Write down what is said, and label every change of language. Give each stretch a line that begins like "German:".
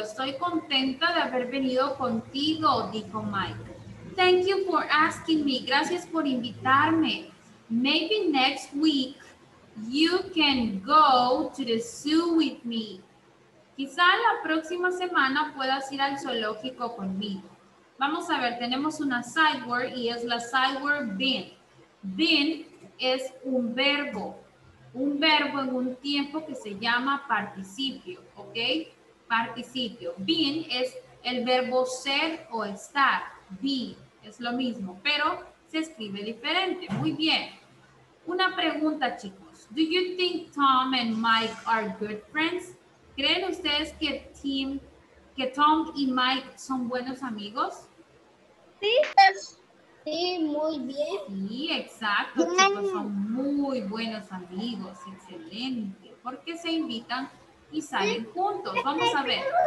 Spanish: Estoy contenta de haber venido contigo, dijo Mike.
English: Thank you for asking me.
Spanish: Gracias por invitarme.
English: Maybe next week you can go to the zoo with me.
Spanish: Quizá la próxima semana puedas ir al zoológico conmigo. Vamos a ver, tenemos una side word y es la side word been. Been es un verbo. Un verbo en un tiempo que se llama participio, ¿ok? Participio. Been es el verbo ser o estar. Be es lo mismo, pero se escribe diferente. Muy bien. Una pregunta, chicos.
English: Do you think Tom and Mike are good friends?
Spanish: ¿Creen ustedes que Tom y Mike son buenos amigos? Sí. Sí, muy bien. Sí, exacto, chicos, son muy buenos amigos, excelente. ¿Por qué se invitan y salen juntos? Vamos a ver.